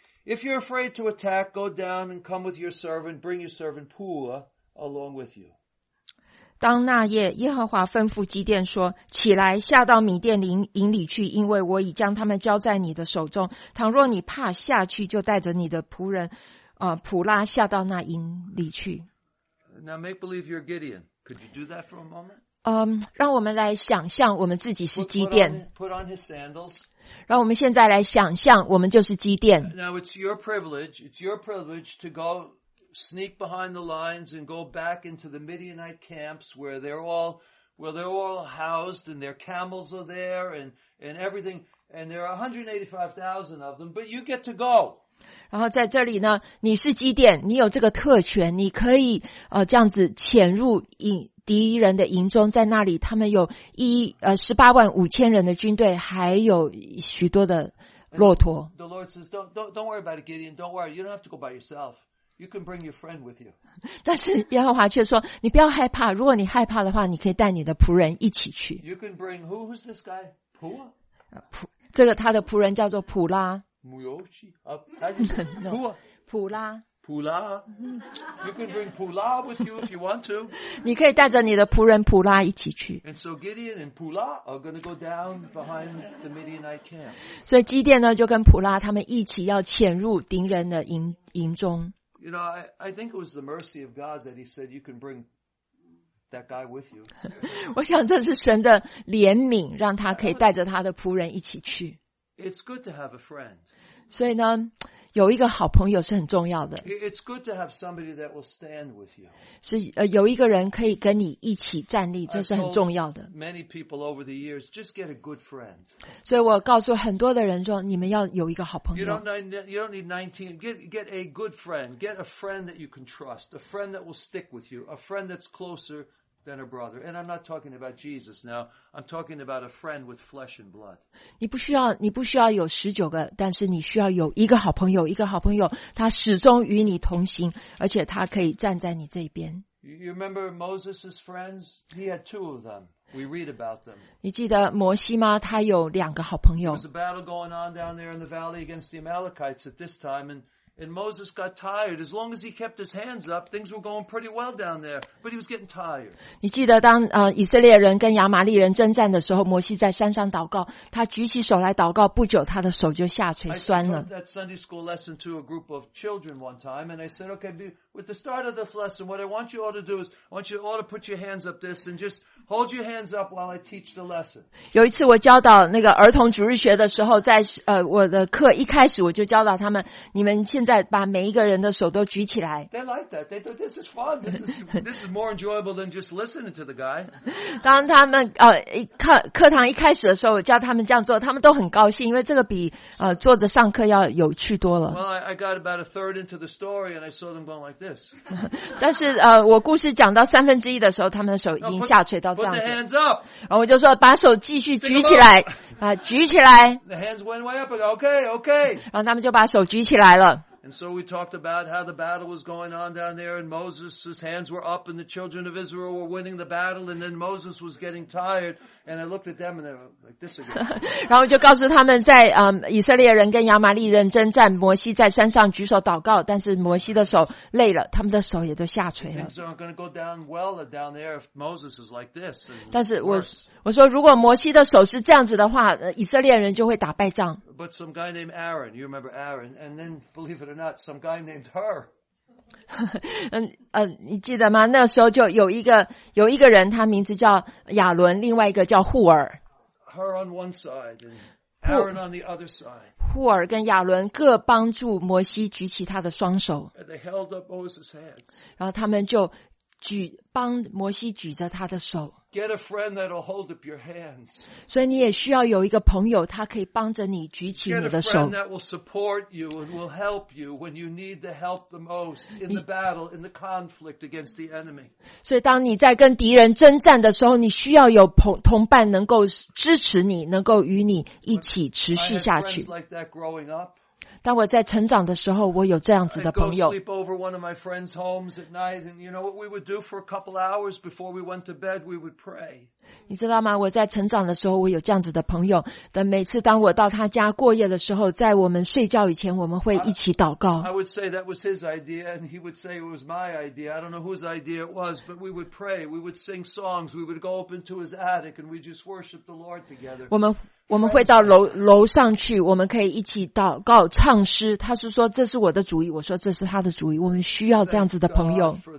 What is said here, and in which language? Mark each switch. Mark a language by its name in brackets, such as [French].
[English] If you're afraid to attack, go down and come with your servant, bring your servant Pua along with you. [Chinese] 当那夜，耶和华吩咐基甸说，起来下到米甸营里去，因为我已将他们交在你的手中，倘若你怕下去，就带着你的仆人普拉下到那营里去。 [English] Now make believe you're Gideon. Could you do that for a moment? [Chinese] 让我们来想象我们自己是基甸。 [English] Put on his sandals. [Chinese] 让我们现在来想象我们就是基甸。 [English] Now it's your privilege. It's your privilege to go sneak behind the lines and go back into the Midianite camps where they're all housed and their camels are there and everything. And there are 185,000 of them, but you get to go. [Chinese] 然后在这里呢，你是基甸，你有这个特权，你可以这样子潜入敌人的营中，在那里他们有185,000人的军队，还有许多的骆驼。 [English] The Lord says, don't worry about it, Gideon. Don't worry. You don't have to go by yourself. You can bring your friend with you. [Chinese] 但是耶和华却说，你不要害怕。如果你害怕的话，你可以带你的仆人一起去。 [English] You can bring who? Who's this guy? Pua. [Chinese] 这个他的仆人叫做普拉。 [English] Muyoshi. Pua. Pula. 普拉 ，You can bring 普拉 with you if you want to. [Chinese] 你可以带着你的仆人普拉一起去。 [English] And so Gideon and Pula are going to go down behind the Midianite camp. [Chinese] 所以基甸呢就跟普拉他们一起要潜入敌人的营中。 [English] You know, I think it was the mercy of God that He said you can bring that guy with you. [Chinese] 我想这是神的怜悯，让他可以带着他的仆人一起去。 [English] It's good to have a friend. [Chinese] 所以呢。有一个好朋友是很重要的。 [English] It's good to have somebody that will stand with you. [Chinese] 是有一个人可以跟你一起站立，这是很重要的。 [English] Many people over the years just get a good friend. [Chinese] 所以我告诉很多的人说，你们要有一个好朋友。 [English] You don't need 19. Get a good friend. Get a friend that you can trust. A friend that will stick with you. A friend that's closer than a brother. And I'm not talking about Jesus now. I'm talking about a friend with flesh and blood. [Chinese] 你不需要有19个，但是你需要有一个好朋友，一个好朋友他始终与你同行，而且他可以站在你这边。 [English] You remember Moses' friends? He had two of them. We read about them. [Chinese] 你记得摩西吗？他有两个好朋友。 [English] There was a battle going on down there in the valley against the Amalekites at this time, and Moses got tired. As long as he kept his hands up, things were going pretty well down there. But he was getting tired. [Chinese] 你记得当以色列人跟亚玛利人征战的时候，摩西在山上祷告，他举起手来祷告，不久他的手就下垂酸了。 [English] I taught that Sunday school lesson to a group of children one time, and I said, okay, with the start of this lesson, what I want you all to do is, I want you all to put your hands up this and just hold your hands up while I teach the lesson. [Chinese] 有一次我教导那个儿童主日学的时候，在我的课一开始我就教导他们，你们现在把每一个人的手都举起来。 [English] They like that. They thought this is fun. This is more enjoyable than just listening to the guy. [Chinese] 当他们课堂一开始的时候，我教他们这样做，他们都很高兴，因为这个比坐着上课要有趣多了。 [English] Well, I got about a third into the story, and I saw them going like this. [Chinese] 但是我故事讲到三分之一的时候，他们的手已经下垂到这样子。 [English] Put the hands up. [Chinese] 然后我就说把手继续举起来，举起来。 [English] The hands went way up. Okay. [Chinese] 然后他们就把手举起来了。 [English] And so we talked about how the battle was going on down there, and Moses' hands were up, and the children of Israel were winning the battle, and then Moses was getting tired, and I looked at them, and they were like this again. [Chinese] 然后就告诉他们在以色列人跟亚玛利人征战，摩西在山上举手祷告，但是摩西的手累了，他们的手也都下垂了。 [English] Things aren't going to go down well down there if Moses is like this. [Chinese] 但是我说，如果摩西的手是这样子的话，以色列人就会打败仗。 [English] But some guy named Aaron, you remember Aaron, and then believe it or not, some guy named her. [Chinese] 你记得吗？那时候就有一个人，他名字叫亚伦，另外一个叫户尔。 [English] Her on one side, and Aaron on the other side. [Chinese] 户尔跟亚伦各帮助摩西举起他的双手。 [English] And they held up Moses' hands. [Chinese] 然后他们就帮摩西举着他的手。 [English] Get a friend that'll hold up your hands. [Chinese] 所以你也需要有一个朋友，他可以帮着你举起你的手。 [English] Get a friend that will support you and will help you when you need the help the most in the battle, in the conflict against the enemy. [Chinese] 所以当你在跟敌人征战的时候，你需要有同伴能够支持你，能够与你一起持续下去。 [English] I had friends like that growing up. [Chinese] 当我在成长的时候，我有这样子的朋友。 [English] I'd go sleep over one of my friends' homes at night, and you know what we would do for a couple hours before we went to bed? We would pray. [Chinese] 你知道吗？我在成长的时候，我有这样子的朋友。但每次当我到他家过夜的时候，在我们睡觉以前，我们会一起祷告。 [English] I would say that was his idea, and he would say it was my idea. I don't know whose idea it was, but we would pray. We would sing songs. We would go up into his attic, and we just worship the Lord together. [Chinese] 我们会到楼上去，我们可以一起祷告唱诗。他是说这是我的主意，我说这是他的主意。我们需要这样子的朋友。